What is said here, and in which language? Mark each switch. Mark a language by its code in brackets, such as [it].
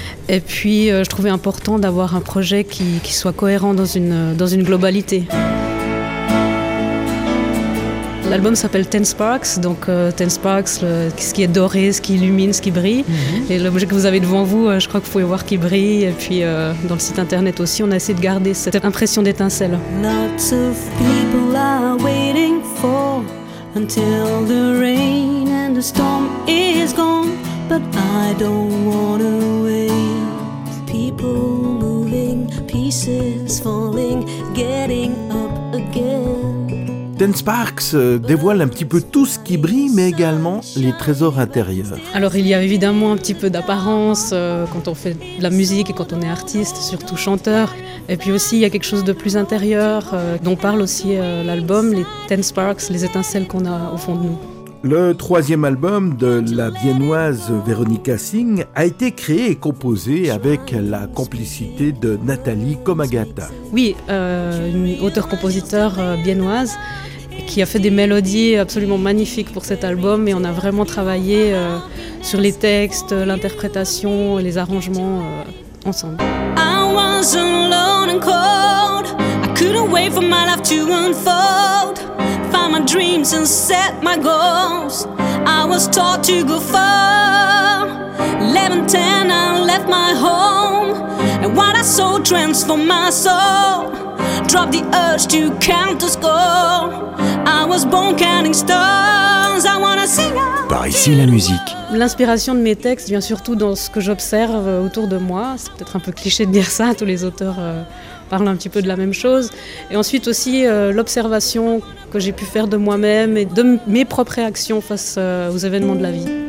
[fr] Et puis, je trouvais important d'avoir un projet qui soit cohérent dans une globalité. L'album s'appelle Ten Sparks, donc Ten Sparks, ce qui est doré, ce qui illumine, ce qui brille. Mm-hmm. Et l'objet que vous avez devant vous, je crois que vous pouvez voir qu'il brille. Et puis dans le site internet aussi, on a essayé de garder cette impression d'étincelle. [en] Lots of people are waiting for until the rain and the storm is gone. But I don't wanna wait. People moving, pieces falling, getting up again. [fr] Ten Sparks dévoile un petit peu tout ce qui brille, mais également les trésors intérieurs. Alors il y a évidemment un petit peu d'apparence quand on fait de la musique et quand on est artiste, surtout chanteur. Et puis aussi il y a quelque chose de plus intérieur dont parle aussi l'album, les Ten Sparks, les étincelles qu'on a au fond de nous. Le troisième album de la viennoise Véronica Singh a été créé et composé avec la complicité de Nathalie Comagata. Oui, une auteure-compositeur viennoise qui a fait des mélodies absolument magnifiques pour cet album et on a vraiment travaillé sur les textes, l'interprétation, les arrangements ensemble. [en] I was alone and cold. I couldn't wait for my life to unfold. My dreams and set my goals. I was taught to go far. 11, 10, I left my home. And what I saw transformed my soul. Dropped the urge to count the score. I was born counting stars. I wanna sing. [fr] Par ici la musique. L'inspiration de mes textes vient surtout dans ce que j'observe autour de moi. C'est peut-être un peu cliché de dire ça, tous les auteurs parlent un petit peu de la même chose. Et ensuite aussi l'observation que j'ai pu faire de moi-même et de mes propres réactions face aux événements de la vie.